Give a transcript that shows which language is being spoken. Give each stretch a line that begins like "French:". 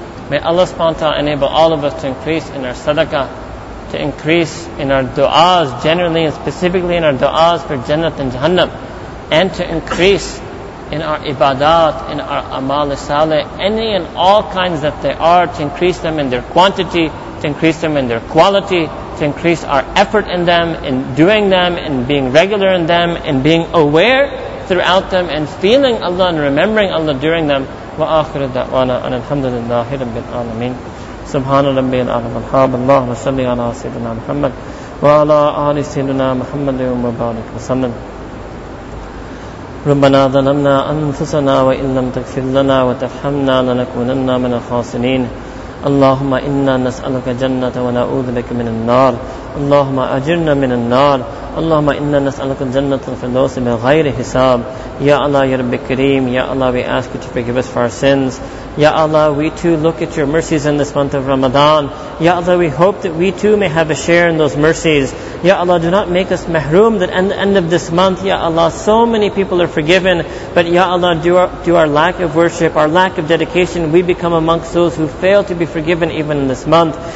English: May Allah subhanahu wa ta'ala enable all of us to increase in our sadaqah, to increase in our du'as generally and specifically in our du'as for Jannat and Jahannam, and to increase in our ibadat, in our amal-e-saleh, any and all kinds that they are, to increase them in their quantity, to increase them in their quality, to increase our effort in them, in doing them, in being regular in them, in being aware throughout them, and feeling Allah and remembering Allah during them.
Arabic: Wa akhiru da'wana an alhamdulillahi rabbil alameen. سبحان ربي العظيم الحمد لله وصلى على سيدنا محمد وعلى آل سيدنا محمد وبارك وسلم ربنا ظلمنا أنفسنا وإن لم تغفر لنا وترحمنا لنكونن من الخاسرين اللهم إنا نسألك جنة ونعوذ بك من النار اللهم أجرنا من النار اللهم إنا نسألك الجنة الفردوس بغير حساب يا الله يا رب كريم يا الله
English: we ask you to forgive us for our sins. Ya Allah, we too look at your mercies in this month of Ramadan. Ya Allah, we hope that we too may have a share in those mercies. Ya Allah, do not make us mahroom that at the end of this month, Ya Allah, so many people are forgiven. But Ya Allah, do our lack of worship, our lack of dedication, we become amongst those who fail to be forgiven even in this month.